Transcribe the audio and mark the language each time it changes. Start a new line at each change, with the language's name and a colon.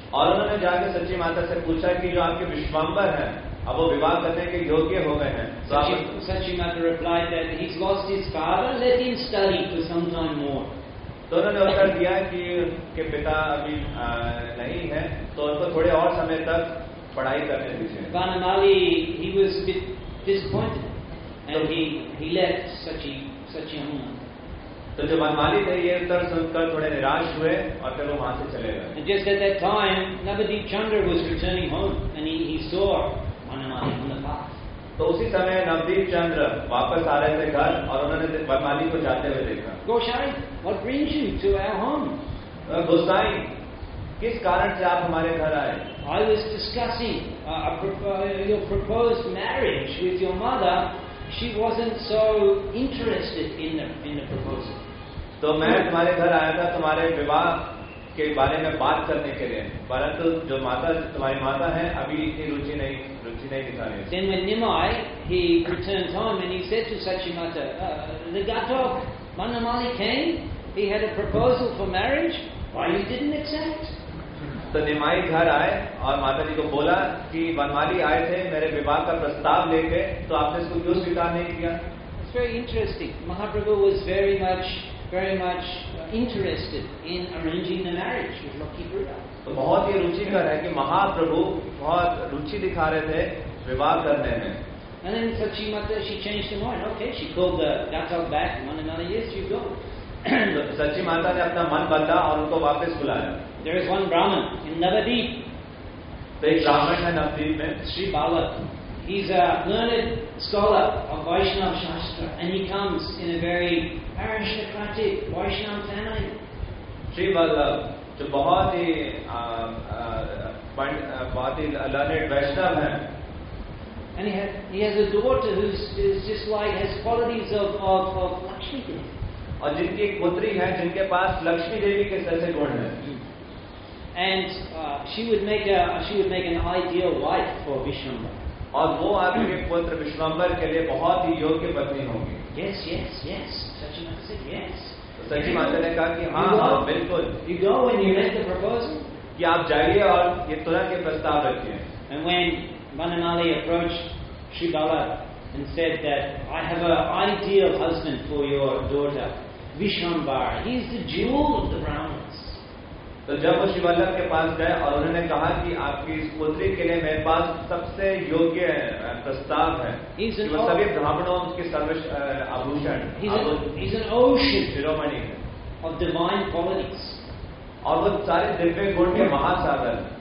Hindi: और उन्होंने जाकर सच्ची माता से पूछा कि जो आपके विश्वंबर हैं अब वो विवाह करने के योग्य हो गए हैं
English: Sachi Mata replied that he has lost his father let him study for some time more
Hindi: तो उन्होंने उत्तर दिया कि उनके पिता अभी नहीं है तो उनको थोड़े और समय तक पढ़ाई करने दीजिए
English: Vanamali he was bit disappointed, and he left Sachi Yamuna.
Hindi: तो जो मनमाली थे ये उत्तर सुनकर थोड़े निराश हुए और फिर वो वहां से चले गए.
English: And just at that time, Navadip Chandra was returning home, and he saw Manamali on the path.
Hindi: तो उसी समय नवदीप चंद्र वापस आ रहे थे घर और उन्होंने मनमाली को जाते हुए देखा.
English: Gosai, what brings you to our home?
Hindi: गोसाई, किस कारण से आप हमारे घर आए?
English: I was discussing your proposed marriage with your mother. She wasn't so interested in the proposal.
Hindi: तो मैं तुम्हारे घर आया था तुम्हारे विवाह के बारे में बात करने के लिए, परंतु जो माता तुम्हारी माता है अभी इतनी रुचि नहीं दिखा रही.
English: Then when Nimai, he returned home and he said to Sachimata, Nagatok, Manamali came, he had a proposal for marriage, why you didn't accept?
Hindi: तो निमाई घर आए और माता जी को बोला कि वनमाली आए थे मेरे विवाह का प्रस्ताव लेके, तो आपने इसको क्यों स्वीकार नहीं किया?
English: It's very interesting. Mahaprabhu was very much interested in arranging the marriage with Lucky Buddha.
Hindi: तो बहुत ही रुचिकर है कि महाप्रभु बहुत रुचि दिखा रहे थे विवाह करने में.
English: And then Sachi Mata, she changed her mind. Okay, she called the Gatok back. Manamali, yes, you go.
Hindi: सच्ची माता ने अपना मन बदला और उनको वापस बुलाया.
English: There is one Brahman in Navadip. There is Brahman in Navadip. Sri Balak. He is a learned scholar of Vaishnava Shastra and he comes in a very aristocratic Vaishnava family. Sri Balak, who is a very learned Vaishnava. And he has a daughter who is just like, has qualities of Lakshmi Devi.
Hindi: और जिनकी एक पुत्री है जिनके पास लक्ष्मी देवी के जैसे गुण है.
English: And she would make an ideal wife for Vishwambar.
Hindi: और वो आपके पुत्र विश्वंबर के लिए बहुत ही योग्य पत्नी होंगी.
English: Yes, yes, yes. Sachi Mata said yes.
Hindi: सचि माता ने कहा कि हाँ हाँ बिल्कुल.
English: You go when you make the proposal.
Hindi: कि आप जाइए और ये तुरंत के प्रस्ताव रखिए.
English: And when Manamali approached Sri Bala and said that I have an ideal husband for your daughter, Vishwambar. He is the jewel of the realm.
Hindi: तो जब वो शिवल्लभ के पास गए और उन्होंने कहा कि आपकी इस पुत्री के लिए मेरे पास सबसे योग्य प्रस्ताव है, वो सभी ब्राह्मणों के सर्वश आभूषण
English: शिरोमणि of divine qualities
Hindi: और वो सारे दिव्य गुण के महासागर.